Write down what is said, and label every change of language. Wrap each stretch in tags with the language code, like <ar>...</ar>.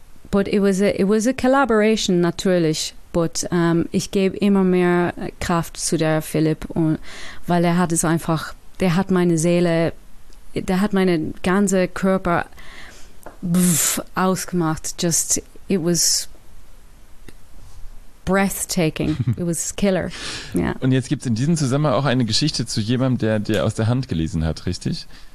<en>But it was a collaboration, natürlich.</en> <de>But ich gebe immer mehr Kraft zu der Philipp, und weil er hat es einfach, der hat meine Seele, der hat meine ganze Körper ausgemacht.</de> <en>Just, it was breathtaking. It was killer. Yeah.</en> <de>Und jetzt gibt es in diesem Zusammenhang auch eine Geschichte zu jemandem, der dir aus der Hand gelesen hat, richtig?</de>